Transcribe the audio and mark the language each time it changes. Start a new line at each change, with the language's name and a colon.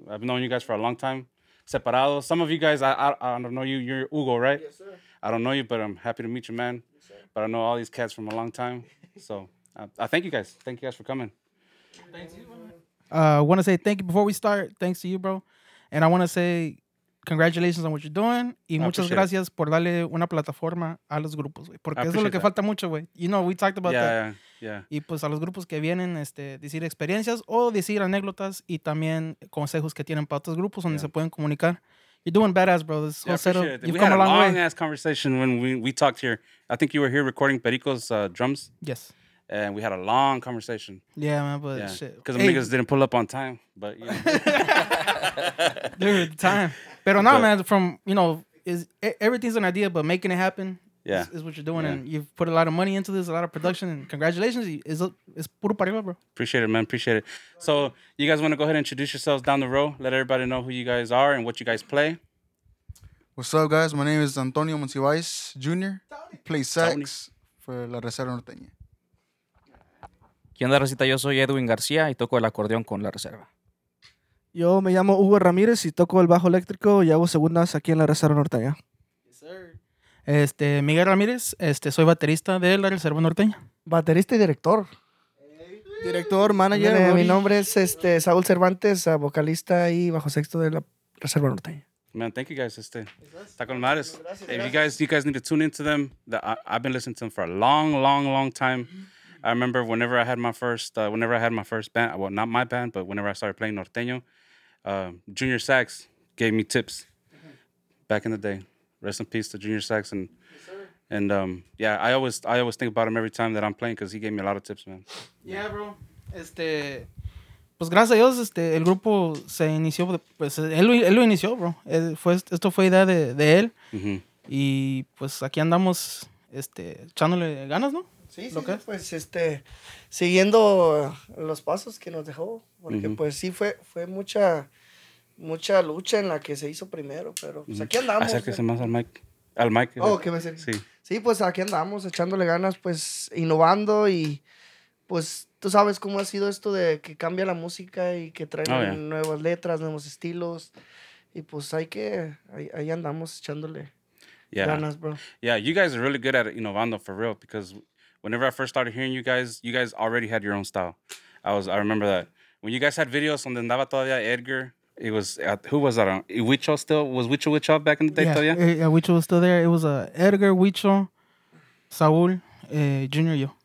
English: I've known you guys for a long time. Separado. Some of you guys, I don't know you. You're Hugo, right? Yes, sir. I don't know you, but I'm happy to meet you, man. Yes, sir. But I know all these cats from a long time. So I thank you guys. Thank you guys for coming. Thank you. I want to say thank you before we start. Thanks to you, bro. And I want to say congratulations on what you're doing.
Spanish: Y muchas gracias por darle una plataforma a los grupos, güey. Porque eso es lo que falta mucho, güey.
English: You know, we talked about that. Yeah.
Spanish: Y pues a los grupos que vienen, decir experiencias o decir anécdotas y también consejos que tienen para otros grupos donde se pueden comunicar.
English: You're doing badass, bro. This whole setup. You've come a long way. We had a long-ass conversation when we talked here. I think you were here recording Perico's drums. Yes. And we had a long conversation. Yeah, man, but yeah. Shit. Because the niggas didn't pull up on time, but you know. Dude, time.
Spanish: Pero no,
English: man, from, you know, everything's an idea, but making it happen is what you're doing. Yeah. And you've put a lot of money into this, a lot of production, and congratulations.
Spanish: It's puro para arriba, bro.
English: Appreciate it, man. Appreciate it. So you guys want to go ahead and introduce yourselves down the row, let everybody know who you guys are and what you guys play. What's up, guys? My name is Antonio Monsiváis Jr. Tony. Play sax for La Reserva Norteña.
Spanish: ¿Qué onda, recita? Yo soy Edwin García y toco el acordeón con La Reserva. Yo me llamo Hugo Ramírez y toco el bajo eléctrico y hago segundas aquí en La Reserva Norteña.
English: Yes, sir.
Spanish: Miguel Ramírez, soy baterista de La Reserva Norteña. Baterista y director. Director, manager. Mi nombre es Saúl Cervantes, vocalista y bajo sexto de La Reserva Norteña.
English: Man, thank you guys.
Spanish: Está con madres.
English: If you guys need to tune into them, I've been listening to them for a long, long, long time. I remember whenever I had my first, band, well, not my band, but whenever I started playing Norteño, Junior Sax gave me tips back in the day. Rest in peace to Junior Sax. And, yes, sir. And I always think about him every time that I'm playing because he gave me a lot of tips, man. Yeah, bro.
Spanish: Pues gracias a Dios, el grupo se inició, pues él lo inició, bro. Esto fue idea de él. Mm-hmm. Y pues aquí andamos, echándole ganas, ¿no? Sí, okay. Sí, pues siguiendo los pasos que nos dejó, porque mm-hmm. pues sí fue mucha, mucha lucha en la que se hizo primero, pero pues aquí andamos. Acérquese más al mic. Al mic. Oh, ¿qué me acerque? Sí. Sí, pues aquí andamos echándole ganas, pues innovando y pues tú sabes cómo ha sido esto de que cambia la música y que traen nuevas letras, nuevos estilos y pues ahí andamos echándole ganas, bro.
English: Yeah, you guys are really good at innovando for real because... Whenever I first started hearing you guys already had your own style. I remember that. When you guys had videos
Spanish: donde andaba todavía Edgar,
English: it was, who was that on? Huicho still? Was Huicho Huicho back in the day todavía? Yeah, Huicho was still there. It was Edgar, Huicho, Saúl, Junior, yo.